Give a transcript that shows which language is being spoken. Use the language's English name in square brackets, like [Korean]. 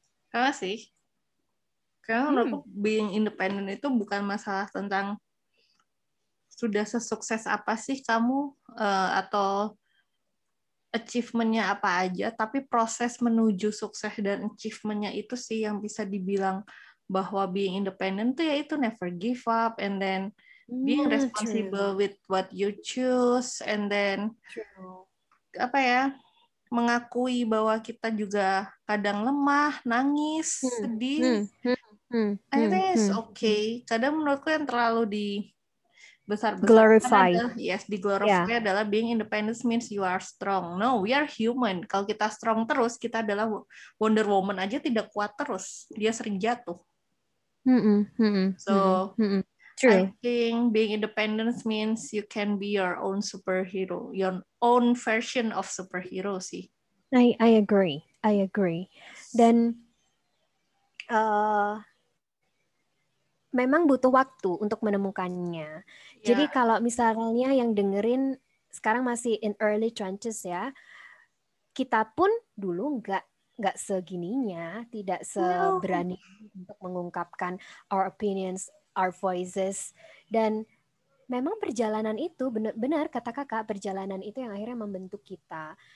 [Indonesian] Kenapa sih? Karena menurutku [English] being independent [Indonesian] itu bukan masalah tentang sudah sesukses apa sih kamu atau achievement-nya apa aja, tapi proses menuju sukses dan achievement-nya itu sih yang bisa dibilang bahwa being independent itu yaitu [English] never give up and then [Indonesian] being responsible with what you choose and then apa ya? Mengakui bahwa kita juga kadang lemah, nangis, sedih. [English] I think it's okay. [Indonesian] Kadang menurutku yang terlalu di besar-besar [English] glorified. Yes, [Indonesian] di glorify adalah [English] being independent means you are strong. No, we are human. [Indonesian] Kalau kita strong terus, kita adalah Wonder Woman aja tidak kuat terus. Dia sering jatuh. So, [English] true. I think being independent means you can be your own superhero, your own version of superhero sih. I agree. [Indonesian] Dan memang butuh waktu untuk menemukannya. Yeah. Jadi kalau misalnya yang dengerin sekarang masih [English] in early trenches [Indonesian] ya, kita pun dulu nggak segininya, tidak seberani untuk mengungkapkan [English] our opinions, our voices, [Indonesian] dan memang perjalanan itu benar-benar kata kakak, perjalanan itu yang akhirnya membentuk kita.